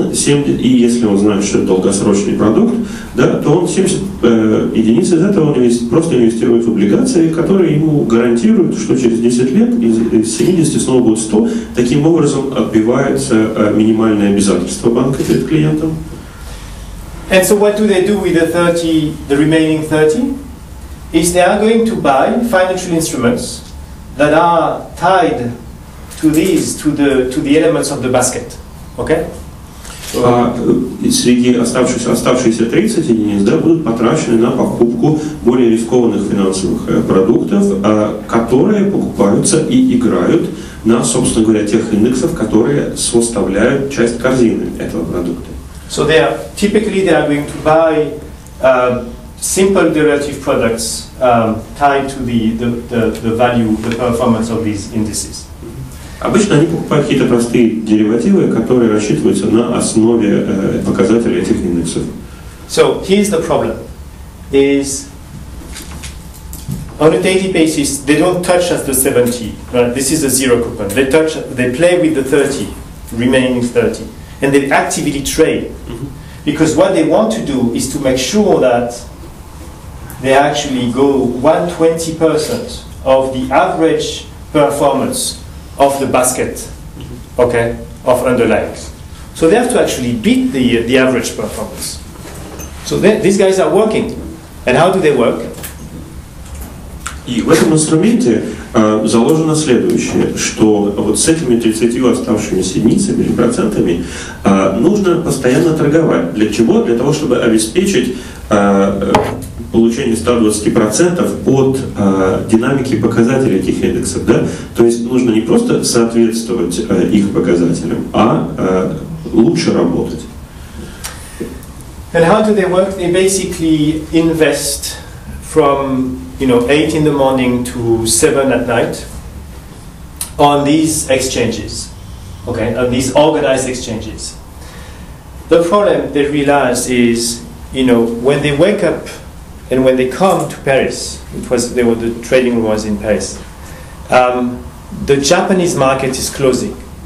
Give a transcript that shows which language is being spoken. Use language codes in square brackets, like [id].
[ru] И если он знает, что это долгосрочный продукт, да, то он 70 единиц из этого просто инвестирует в облигации, которые ему гарантируют, что через 10 лет из 70 снова будет 100. Таким образом отбивается минимальное обязательство банка перед клиентом. [en] And so what do they do with the remaining 30? Is they are going to buy financial instruments that are tied to these, to the elements of the basket. Okay? [ru] Среди оставшихся 30 единиц, да, будут потрачены на покупку более рискованных финансовых продуктов, которые покупаются и играют на, собственно говоря, тех индексов, которые составляют часть корзины этого продукта. [en] So they are going to buy simple derivative products tied to the value, the performance of these indices. [ru] Обычно они покупают какие-то простые деривативы, которые рассчитываются на основе показателей этих индексов. [en] So here's the problem: is on a daily basis they don't touch at the 70. Right? This is a zero coupon. They play with the 30, remaining 30. And they actively trade, because what they want to do is to make sure that they actually go 120% of the average performance of the basket, okay, of underlyings. So they have to actually beat the average performance. So these guys are working, and how do they work? [ru] И в этом инструменте заложено следующее, что вот с этими 30 оставшимися единицами или процентами нужно постоянно торговать. Для чего? Для того, чтобы обеспечить получение 120% от динамики показателей этих индексов. Да? То есть нужно не просто соответствовать их показателям, а лучше работать. [en] And how do they work? They basically invest from, you know, 8 in the morning to 7 at night on these exchanges, okay, on these organized exchanges. The problem they realize is, you know, when they wake up and when they come to Paris, the trading room was in Paris, the Japanese market is closing.